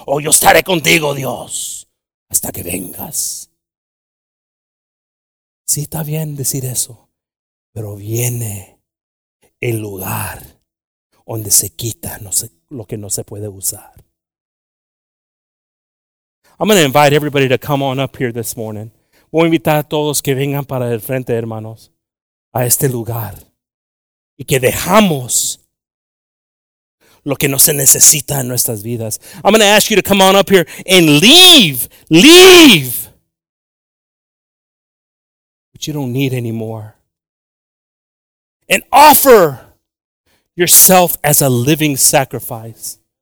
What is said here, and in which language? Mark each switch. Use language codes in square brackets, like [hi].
[es] Oh, yo estaré contigo, Dios, hasta que vengas. Sí, está bien decir eso, pero viene el lugar donde se quita lo que no se puede usar. [en] I'm going to invite everybody to come on up here this morning. [es] Voy a invitar a todos que vengan para el frente, hermanos, a este lugar. Y que dejamos lo que no se necesita en nuestras vidas. [en] I'm going to ask you to come on up here and leave. Leave. What you don't need anymore. And offer yourself as a living sacrifice.